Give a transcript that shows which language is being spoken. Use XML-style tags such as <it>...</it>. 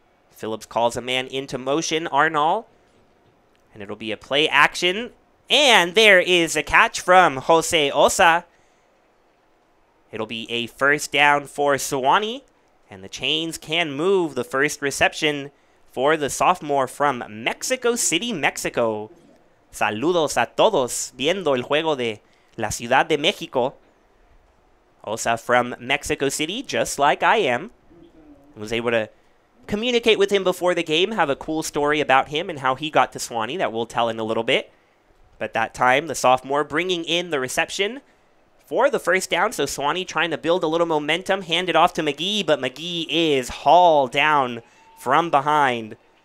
<en>Phillips calls a man into motion, Arnall. And it'll be a play action. And there is a catch from Jose Osa. It'll be a first down for Sewanee. And the chains can move. The first reception for the sophomore from Mexico City, Mexico.</en> <es>Saludos a todos viendo el juego de la Ciudad de México.</es> <en>Osa from Mexico City, just like I am. Was able to communicate with him before the game, have a cool story about him and how he got to Sewanee that we'll tell in a little bit. But that time, the sophomore bringing in the reception for the first down. So Sewanee trying to build a little momentum, hand it off to McGee, but McGee is hauled down from behind.</en>